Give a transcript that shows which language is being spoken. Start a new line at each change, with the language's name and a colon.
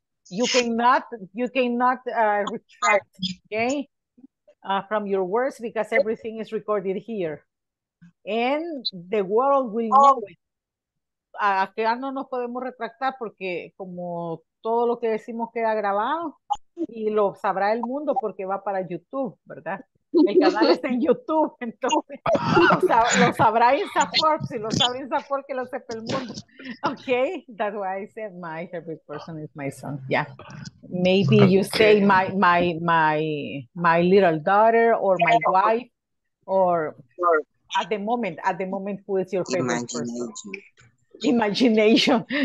English: You cannot retract, okay, from your words because everything is recorded here, and the world will know it.
Spanish: Aquí no nos podemos retractar porque como todo lo que decimos queda grabado y lo sabrá el mundo porque va para YouTube, ¿verdad? El canal está en YouTube, entonces lo sabrá InstaFork, si lo sabe InstaFork que lo sepa el mundo.
English: Okay, that's why I said my favorite person is my son. Yeah, maybe you say my little daughter or my wife or at the moment who is your favorite person? Imagination.